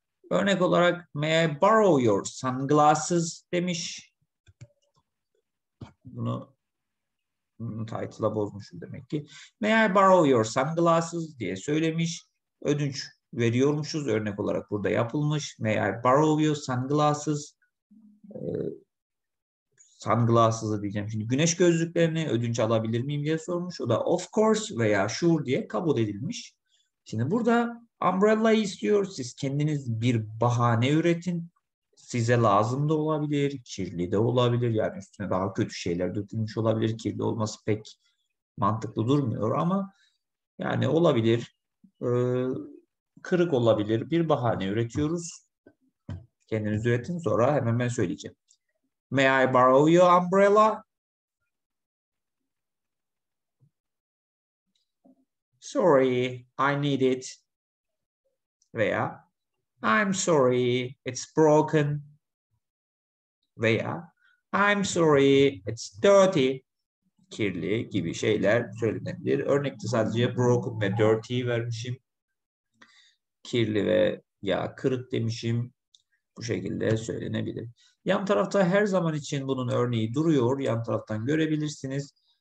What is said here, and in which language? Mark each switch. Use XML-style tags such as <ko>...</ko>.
<tr>Örnek olarak may I borrow your sunglasses demiş. Bunu title'a bozmuşum demek ki.</tr> <en>May I borrow your sunglasses diye söylemiş. Ödünç veriyormuşuz.</en> <tr>Örnek olarak burada yapılmış.</tr> <en>May I borrow your sunglasses.</en> <tr>Sunglasses'ı diyeceğim. Şimdi güneş gözlüklerini ödünç alabilir miyim diye sormuş. O da of course veya sure diye kabul edilmiş. Şimdi burada umbrella istiyor. Siz kendiniz bir bahane üretin. Size lazım da olabilir, kirli de olabilir. Yani üstüne daha kötü şeyler dökülmüş olabilir. Kirli olması pek mantıklı durmuyor ama yani olabilir. Kırık olabilir. Bir bahane üretiyoruz. Kendiniz üretin, sonra hemen ben söyleyeceğim.</tr> <en>May I borrow your umbrella? Sorry, I need it. Veya I'm sorry, it's broken. Veya I'm sorry, it's dirty.</en> <tr>Kirli gibi şeyler söylenebilir. Örnekte sadece broken ve dirty vermişim. Kirli ve ya kırık demişim. Bu şekilde söylenebilir. Yan tarafta her zaman için bunun örneği duruyor. Yan taraftan görebilirsiniz.</tr>